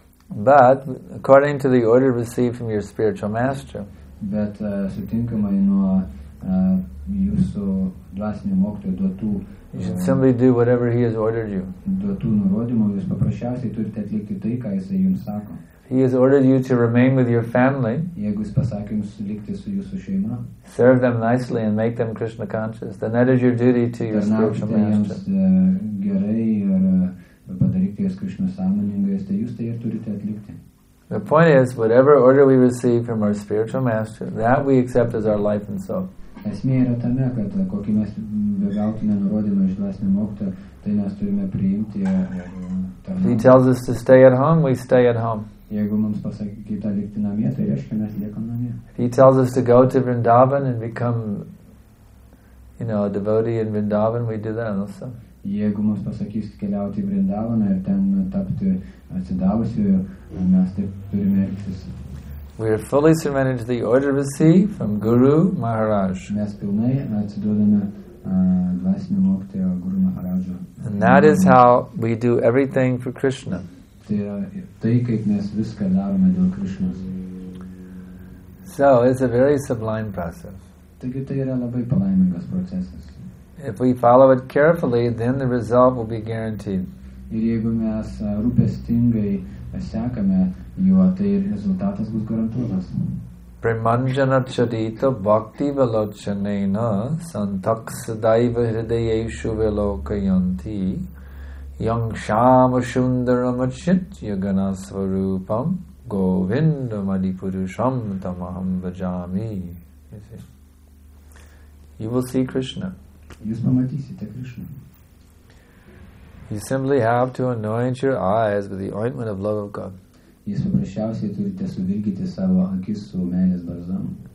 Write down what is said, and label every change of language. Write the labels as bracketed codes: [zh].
[en] But according to the order received from your spiritual master, [lt] bet sutinkamai nuo jūsų dvasinio mokytojo duotų, [en] you should simply do whatever he has ordered you. [lt] Duotų nurodymų jūs paprasčiausiai turite atlikti tai, ką jisai jums sako. [en] He has ordered you to remain with your family. [lt] Jeigu jis pasakė jums likti su jūsų šeima. [en] Serve them nicely and make them Krishna conscious. Then that is your duty to your spiritual master. [lt] Tarnaukite jiems gerai ir padaryti jas Krishna sąmoningais, tai jūs tai ir turite atlikti. [en] The point is, whatever order we receive from our spiritual master, that we accept as our life and soul. [lt] Esmė yra tame, kad kokį mes begautume nurodymą iš dvasinio mokytojo, tai mes turime priimti. [en] He tells us to stay at home, we stay at home. [lt] Jeigu mums pasakyta likti namie, tai reiškia, mes liekam namie. [en] He tells us to go to Vrindavan and become, you know, a devotee in Vrindavan, we do that also. [lt] Jeigu mums pasakys keliauti į Vrindavaną ir ten tapti atsidavusiu, mes taip turime elgtis. [en] We are fully surrendered to the order received from Guru Maharaj. [lt] Mes pilnai atsiduodame dvasinio mokytojo Guru Maharajo. [en] And that is how we do everything for Krishna. [lt] Tai yra tai, kaip mes viską darome dėl Krishnos. [en] So, it's a very sublime process. [lt] Taigi tai yra labai palaimingas procesas. [en] If we follow it carefully, then the result will be guaranteed. [lt] Ir jeigu mes rūpestingai sekame juo, tai rezultatas bus garantuotas. [sa] Premanjana charita bhakti valochanena santaksadaiva hridayeshu velokayanti yang shama sundaram achit yagana swarupam govindamadipurusham tamaham bhajami. [en] you will see Krishna. [lt] Jūs pamatysite Krishna. [en] You simply have to anoint your eyes with the ointment of love of God. [lt] Jūs paprasčiausiai turite suvilgyti savo akis su meilės balzamu.